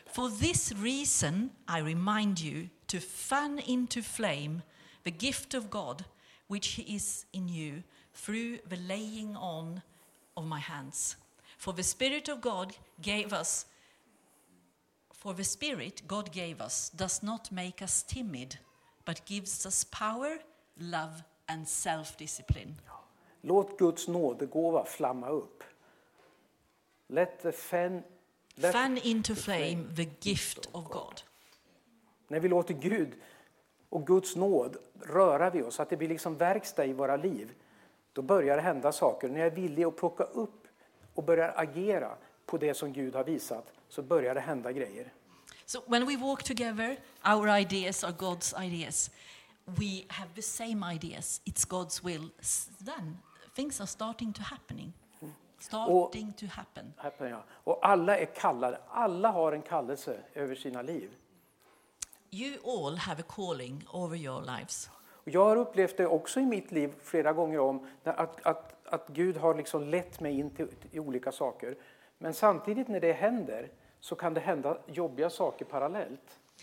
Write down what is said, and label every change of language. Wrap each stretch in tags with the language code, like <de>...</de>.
<en>For this reason I remind you to fan into flame the gift of God which he is in you through the laying on of my hands. For the Spirit of God gave us, for the Spirit God gave us does not make us timid, but gives us power, love and self-discipline.</en> <sv>Låt Guds nådegåva flamma upp.</sv> <en>Let the fan into flame the gift of God.</en> <sv>När vi låter Gud och Guds nåd röra vid oss, att det blir liksom verkstad i våra liv, då börjar det hända saker. När jag är villig att plocka upp och börjar agera på det som Gud har visat, så börjar det hända grejer.</sv> <en>So when we walk together, our ideas are God's ideas. We have the same ideas. It's God's will. Then things are starting to happening. Starting to happen.</en> <sv>Happen, ja. Och alla är kallade. Alla har en kallelse över sina liv.</sv> <en>You all have a calling over your lives.</en> <sv>Och jag har upplevt det också i mitt liv flera gånger om att Gud har liksom lett mig in till olika saker. Men samtidigt när det händer, så kan det hända jobbiga saker parallellt.</sv>